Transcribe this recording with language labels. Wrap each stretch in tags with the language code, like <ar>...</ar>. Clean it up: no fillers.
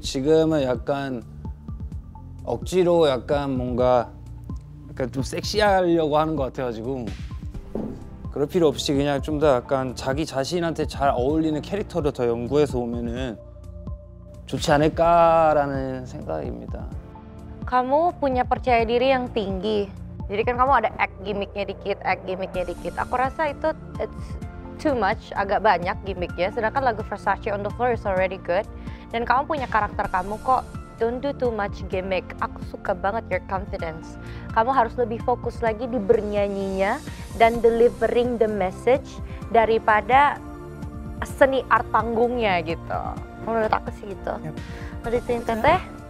<ko>지금은 약간 억지로 약간 뭔가 약간 좀 섹시하려고 하는 것 같아가지고 그럴 필요 없이 그냥 좀 더 약간 자기 자신한테 잘 어울리는 캐릭터를 더 연구해서 오면은 좋지 않을까라는 생각입니다.</ko> <id>Kamu punya percaya diri yang tinggi. Jadi kan kamu ada act gimmicknya dikit. Aku rasa itu</id> <en>it's too much,</en> <id>agak banyak gimmicknya. Sedangkan lagu Versace on the Floor</id> <en>is already good.</en> <id>Dan kamu punya karakter kamu kok.</id> <en>Don't do too much gimmick.</en> <id>Aku suka banget</id> <en>your confidence.</en> <id>Kamu harus lebih fokus lagi di bernyanyinya dan</id> <en>delivering the message</en> <id>daripada seni art panggungnya gitu. Menurut aku sih gitu. Yep. Teteh?</id>